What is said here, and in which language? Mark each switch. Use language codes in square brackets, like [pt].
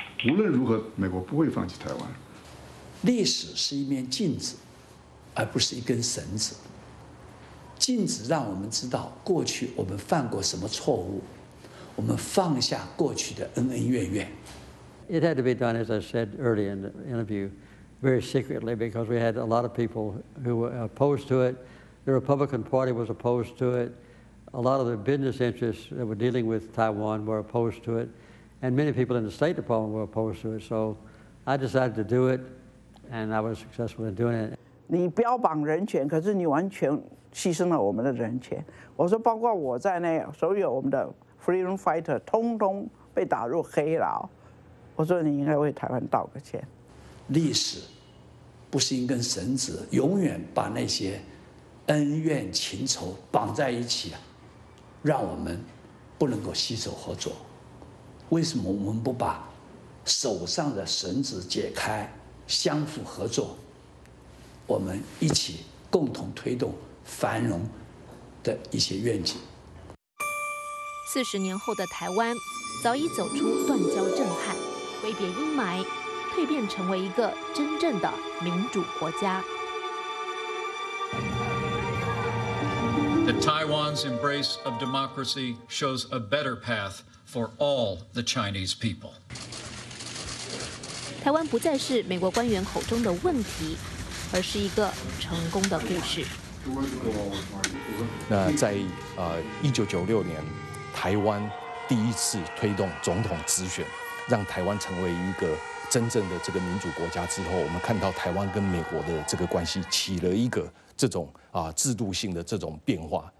[zh] 无论如何，美国不会放弃台湾。历史是一面镜子，而不是一根绳子。禁止让我们知道过去我们犯过什么错误，我们放下过去的恩恩怨怨。 [en] It had to be done, as I said earlier in the interview, very secretly because we had a lot of people who were opposed to it. The Republican Party was opposed to it. A lot of the business interests that were dealing with Taiwan were opposed to it, and many people in the State Department were opposed to it. So I decided to do it, and I was successful in doing it. [zh] 你标榜人权，可是你完全牺牲了我们的人权。我说包括我在内，所有我们的 [en] freedom fighter [zh] 通通被打入黑牢。我说你应该为台湾道个歉。历史不是一根绳子，永远把那些恩怨情仇绑在一起，让我们不能够携手合作。为什么我们不把手上的绳子解开，相互合作，我们一起共同推动繁荣的一些愿景。四十年后的台湾早已走出断交震撼，挥别阴霾，蜕变成为一个真正的民主国家。 [en] The Taiwan's embrace of democracy shows a better path for all the Chinese people. [zh] 台湾不再是美国官员口中的问题，而是一个成功的故事。那在1996年，台湾第一次推动总统直选，让台湾成为一个真正的这个民主国家之后，我们看到台湾跟美国的这个关系起了一个这种制度性的这种变化。